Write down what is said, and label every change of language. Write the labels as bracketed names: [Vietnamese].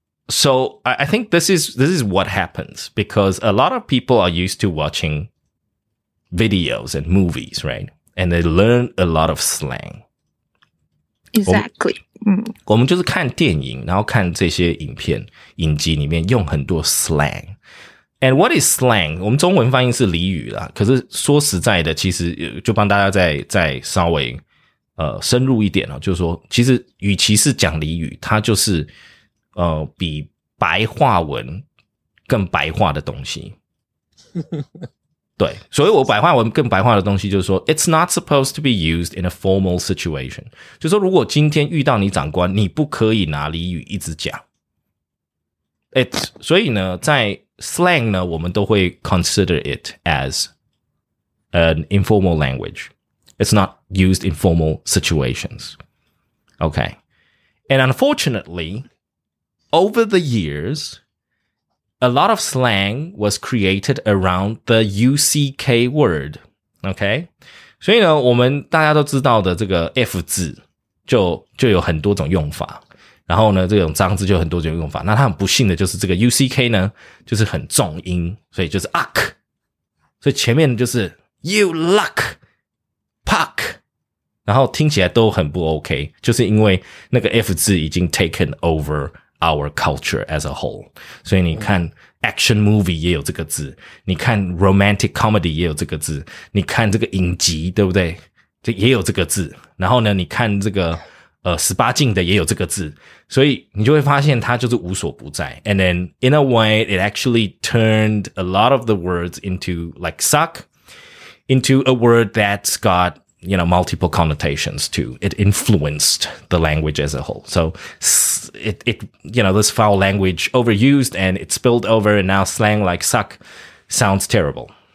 [English] So I think this is what happens because a lot of people are used to watching videos and movies, right? And they learn a lot of slang. Exactly. [Chinese] 我们就是看电影，然后看这些影片影集里面用很多 slang. [English] And what is slang? [Chinese] 我们中文翻译是俚语啦。可是说实在的，其实就帮大家再稍微深入一点哦，就是说，其实与其是讲俚语，它就是。比白话文更白话的东西。对。所以我白话文更白话的东西就是说 [English] ,it's not supposed to be used in a formal situation. [Chinese] 就是说如果今天遇到你长官你不可以拿俚语一直讲。所以呢在 slang 呢我们都会 [English] consider it as an informal language. It's not used in formal situations. Okay. And unfortunately,Over the years, a lot of slang was created around the U-C-K word, okay? [Chinese] 所以呢，我们大家都知道的这个 F 字就有很多种用法，然后呢，这种脏字就有很多种用法。那它很不幸的就是这个 U-C-K 呢，就是很重音，所以就是 uck。所以前面就是 [English] you luck, puck, [Chinese] 然后听起来都很不 OK, 就是因为那个 F 字已经 [English] taken over,our culture as a whole. [Chinese] 所以你看 action movie 也有这个字，你看 romantic comedy 也有这个字，你看这个影集，对不对？这也有这个字。然后呢，你看这个18禁的也有这个字。所以你就会发现它就是无所不在。 [English] And then in a way, it actually turned a lot of the words into like suck, into a word that's got,you know, multiple connotations too. It influenced the language as a whole. So it, you know, this foul language overused and it spilled over and now slang like suck sounds terrible.